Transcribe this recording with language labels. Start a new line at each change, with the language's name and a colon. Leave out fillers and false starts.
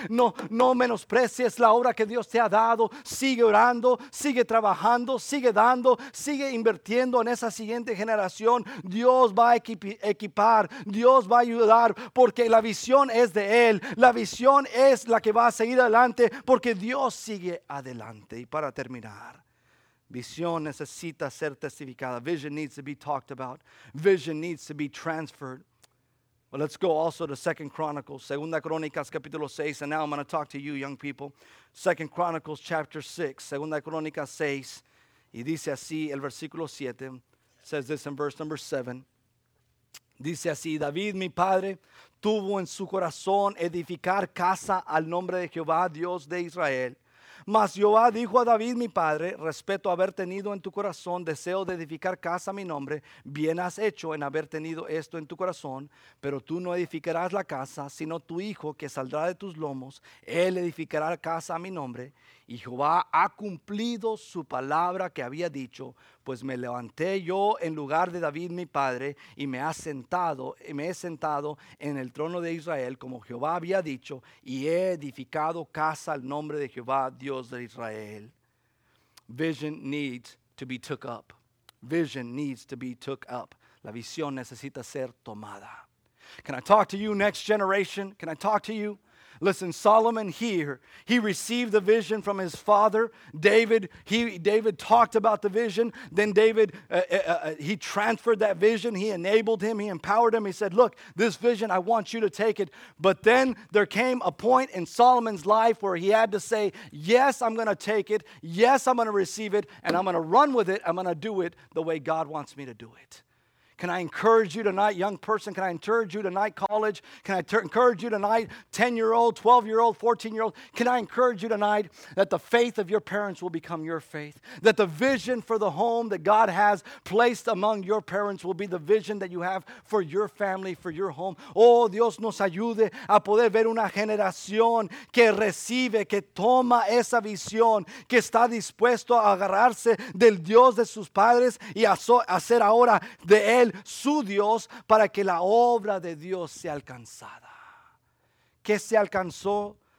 Spanish: No, no menosprecies la obra que Dios te ha dado. Sigue orando, sigue trabajando, sigue dando, sigue invirtiendo en esa siguiente generación. Dios va a equipar, Dios va a ayudar, porque la visión es de Él. La visión es la que va a seguir adelante, porque Dios sigue adelante. Y para terminar, visión necesita ser testificada.
English: Vision needs to be talked about. Vision needs to be transferred. But let's go also to 2 Chronicles,
Spanish: 2 Crónicas capítulo 6.
English: And now I'm going to talk to you young people. 2 Chronicles chapter 6, 2 Crónicas 6.
Spanish: Y dice así el versículo 7.
English: Says this in verse number 7.
Spanish: Dice así: David, mi padre, tuvo en su corazón edificar casa al nombre de Jehová, Dios de Israel. Mas Jehová dijo a David, mi padre: respecto a haber tenido en tu corazón deseo de edificar casa a mi nombre, bien has hecho en haber tenido esto en tu corazón, pero tú no edificarás la casa, sino tu hijo que saldrá de tus lomos, él edificará casa a mi nombre. Y Jehová ha cumplido su palabra que había dicho, pues me levanté yo en lugar de David mi padre y me he sentado en el trono de Israel como Jehová había dicho, y he edificado casa al nombre de Jehová, Dios de Israel.
English: Vision needs to be took up. Vision needs to be took up.
Spanish: La visión necesita ser tomada.
English: Can I talk to you, next generation? Can I talk to you? Listen, Solomon here, he received the vision from his father, David. David talked about the vision. Then David, he transferred that vision. He enabled him. He empowered him. He said, look, this vision, I want you to take it. But then there came a point in Solomon's life where he had to say, yes, I'm going to take it. Yes, I'm going to receive it. And I'm going to run with it. I'm going to do it the way God wants me to do it. Can I encourage you tonight, young person? Can I encourage you tonight, college? Can I encourage you tonight, 10-year-old, 12-year-old, 14-year-old? Can I encourage you tonight that the faith of your parents will become your faith? That the vision for the home that God has placed among your parents will be the vision that you have for your family, for your home?
Spanish: Oh, Dios nos ayude a poder ver una generación que recibe, que toma esa visión, que está dispuesto a agarrarse del Dios de sus padres y hacer ahora de él su Dios, para que la obra de Dios sea alcanzada. ¿Qué se alcanzó?